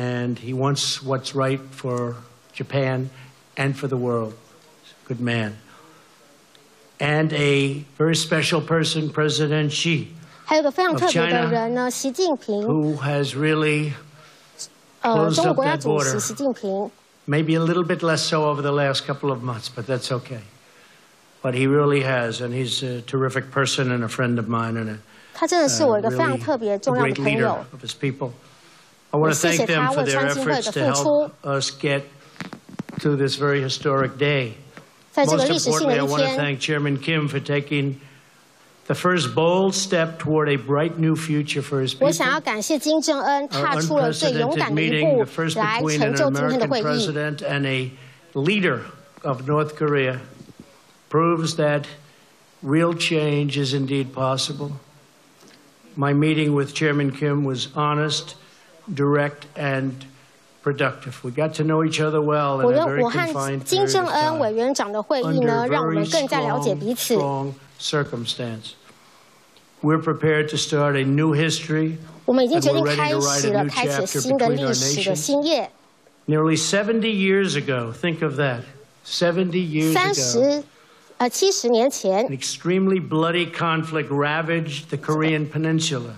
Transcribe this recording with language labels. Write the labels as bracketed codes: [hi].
[en] And he wants what's right for Japan and for the world. Good man. And a very special person, President Xi. [zh] 还有个非常特别的人呢，习近平。 [en] Who has really [zh] 中国国家主席习近平 [en] ，maybe a little bit less so over the last couple of months, but that's okay. But he really has, and he's a terrific person and a friend of mine, and a [zh] 他真的是我一个非常特别重要的朋友。 [en] Of his people, I want to thank them for their efforts to help us get to this very historic day. [zh] 在这个历史性的一天 [en] Most importantly, I want to thank Chairman Kim for taking. The first bold step toward a bright new future for his people. [zh] 我想要感谢金正恩踏出了最勇敢的一步，来成就今天的会议。 [en] An unprecedented president and a leader of North Korea proves that real change is indeed possible. My meeting with Chairman Kim was honest, direct, and productive. We got to know each other well in a very confined period of time. [zh] 我和金正恩委员长的会议呢，让我们更加了解彼此。 [en] Circumstance. We're prepared to start a new history. We're ready to write a new chapter between our nations. Nearly 70 years ago, think of that. 70 years ago, [zh] 70年前, [en] an extremely bloody conflict ravaged the Korean Peninsula.